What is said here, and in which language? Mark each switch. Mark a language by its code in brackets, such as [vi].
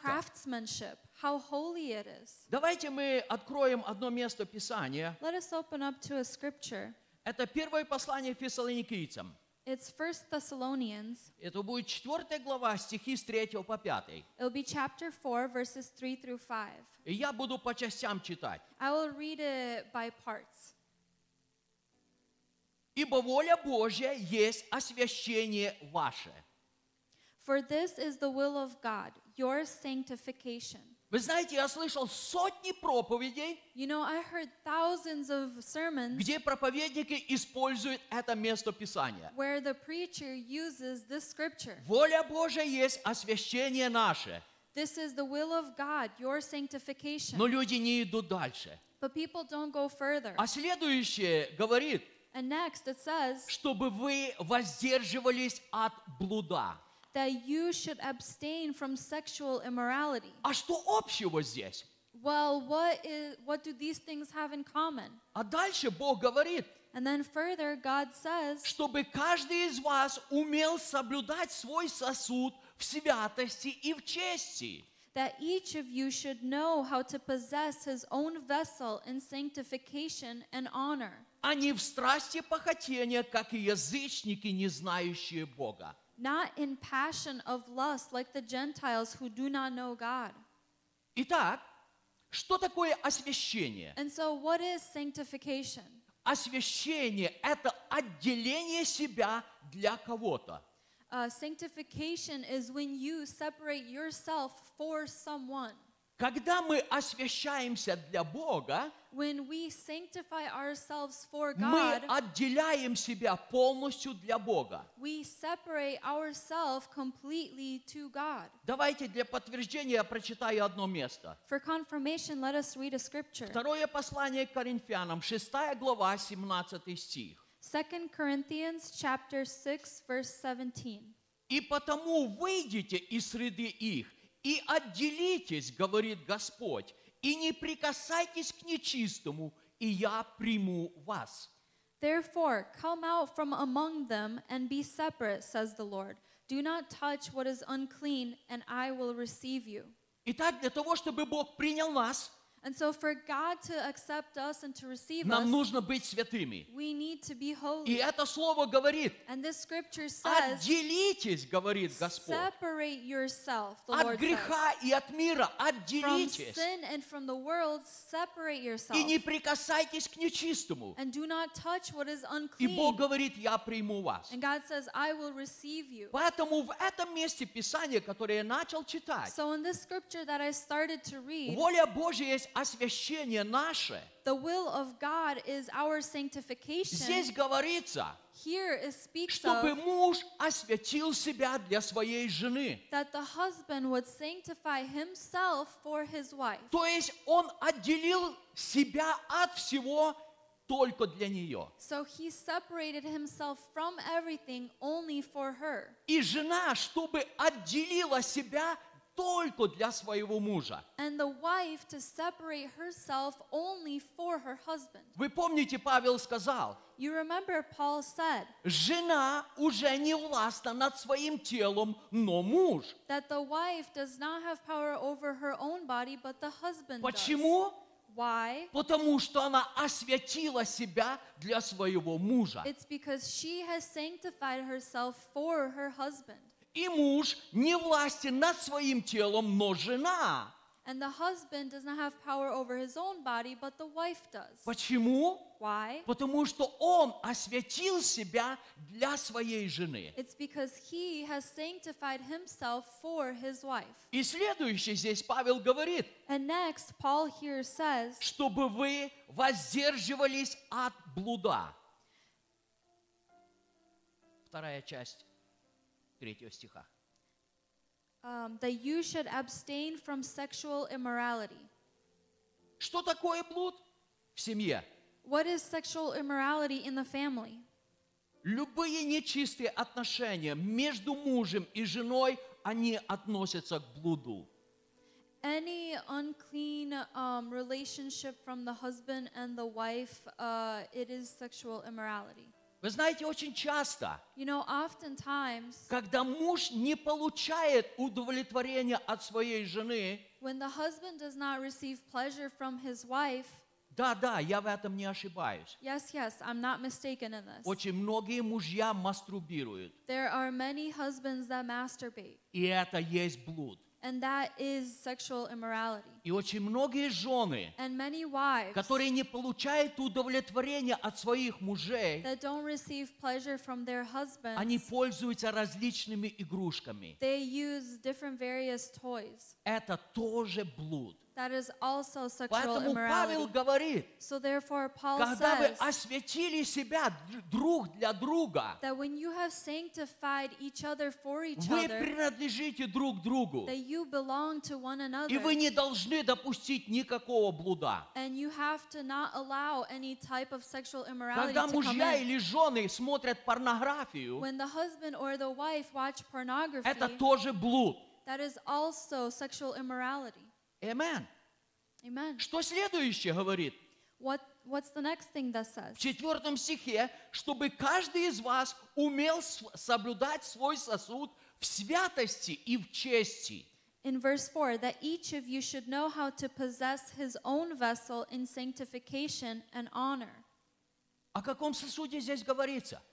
[en] Craftsmanship, how holy it is. [ru] Давайте мы откроем одно место Писания. [en] Let us open up to a scripture. [ru] Это первое послание Фессалоникийцам. [en] It's 1 Thessalonians. [ru] Это будет 4 глава, стихи с 3 по 5. [en] It'll be chapter 4, verses 3 through 5. [ru] И я буду по частям читать. [en] I will read it by parts. [ru] Ибо воля Божья есть освящение ваше. [en] For this is the will of God, your sanctification. [ru] Вы знаете, я слышал сотни проповедей, [en] you know, I heard thousands of sermons, [ru] где проповедники используют это место Писания. [en] Where the preacher uses this scripture. [ru] Воля Божия есть освящение наше. [en] This is the will of God, your sanctification. [ru] Но люди не идут дальше. [en] But people don't go further. [ru] А следующее говорит, [en] and next it says, [ru] чтобы вы воздерживались от блуда. [en] That you should abstain from sexual immorality. [ru] А что общего здесь? [en] Well, what do these things have in common? [ru] А дальше Бог говорит, [en] and then further, God says, [ru] чтобы каждый из вас умел соблюдать свой сосуд в святости и в чести. [en] That each of you should know how to possess his own vessel in sanctification and honor. [ru] А не в страсти похотения, как и язычники, не знающие Бога. [en] Not in passion of lust like the Gentiles who do not know God. [ru] Итак, что такое освящение? [en] And so what is sanctification? [ru] Освящение – это отделение себя для кого-то. [en] Sanctification is when you separate yourself for someone. [ru] Когда мы освящаемся для Бога, [en] when we sanctify ourselves for God, [ru] мы отделяем себя полностью для Бога. [en] We separate ourselves completely to God. [ru] Давайте для подтверждения я прочитаю одно место. [en] For confirmation, let us read a scripture. [ru] Второе послание к Коринфянам, 6 глава, 17 стих. [en] 2 Corinthians chapter 6, verse 17. [ru] «И потому выйдите из среды их, и отделитесь, говорит Господь, и не прикасайтесь к нечистому, и я приму вас. [en] Therefore, come out from among them and be separate, says the Lord. Do not touch what is unclean, and I will receive you. [ru] Итак, для того, чтобы Бог принял нас, [en] and so for God to accept us and to receive [ru] нам [en] us, [ru] нужно быть святыми. [en] We need to be holy. [ru] И это слово говорит, [en] and this scripture says, [ru] отделитесь, говорит Господь, [en] separate yourself, the [ru] от [en] Lord [ru] греха [en] says, [ru] и от мира, отделитесь. [en] From sin and from the world, separate yourself. [ru] И не прикасайтесь к нечистому. [en] And do not touch what is unclean. [ru] И Бог говорит, я приму вас. [en] And God says, I will receive you. [ru] Поэтому в этом месте Писания, которое я начал читать, [en] so in this scripture that I started to read, [ru] воля Божия освящение наше. [en] The will of God is our sanctification. [ru] Здесь говорится, [en] here it speaks [ru] чтобы [en] of, [ru] муж освятил себя для своей жены. [en] That the husband would sanctify himself for his wife. [ru] То есть он отделил себя от всего только для нее. [en] So he separated himself from everything only for her. [ru] И жена, чтобы отделила себя только для своего мужа. [en] And the wife to separate herself only for her husband. [ru] Вы помните, Павел сказал, [en] you remember Paul said, [ru] жена уже не властна над своим телом, но муж. [en] That the wife does not have power over her own body, but the husband [ru] почему? Почему? [en] Why? [ru] Потому что она освятила себя для своего мужа. [en] It's because she has sanctified herself for her husband. [ru] И муж не властен над своим телом, но жена. [en] And the husband does not have power over his own body, but the wife does. [ru] Почему? [en] Why? [ru] Потому что он освятил себя для своей жены. [en] It's because he has sanctified himself for his wife. [ru] И следующий здесь Павел говорит, [en] And next, Paul here says, [ru] чтобы вы воздерживались от блуда. Вторая часть третьего стиха. [en] That you should abstain from sexual immorality. [ru] Что такое блуд в семье? [en] What is sexual immorality in the family? [ru] Любые нечистые отношения между мужем и женой, они относятся к блуду. [en] Any unclean relationship from the husband and the wife, it is sexual immorality. [ru] Вы знаете, очень часто, [en] you know, oftentimes, [ru] когда муж не получает удовлетворения от своей жены, [en] when the husband does not receive pleasure from his wife, [ru] да-да, я в этом не ошибаюсь. [en] Yes, yes, I'm not mistaken in this. [ru] Очень многие мужья мастурбируют. [en] There are many husbands that masturbate. [ru] И это есть блуд. [en] And that is sexual immorality. [ru] И очень многие жены, [en] and many wives, [ru] которые не получают удовлетворения от своих мужей, [en] that don't receive pleasure from their husbands, [ru] они пользуются различными игрушками. [en] They use different various toys. [ru] Это тоже блуд. [en] That is also sexual [ru] Поэтому [en] immorality. [ru] Павел говорит, [en] so therefore Paul [ru] когда [en] says, [ru] вы освятили себя друг для друга, [en] that when you have sanctified each other for each [ru] вы [en] other, [ru] принадлежите друг другу, [en] that you belong to one another, [ru] и вы не должны допустить никакого блуда. [en] And you have to not allow any type of sexual immorality [ru] когда [en] to [ru] мужья [en] come [ru] или жены смотрят порнографию, [en] when the husband or the wife watch pornography, [ru] это тоже блуд. [en] That is also sexual immorality. Amen. Amen. [ru] Что следующее говорит? [en] What's the next thing that says? [ru] В четвертом стихе, чтобы каждый из вас умел соблюдать свой сосуд в святости и в чести. [en] In verse 4, that each of you should know how to possess his own vessel in sanctification and honor. [ru] О каком сосуде здесь говорится?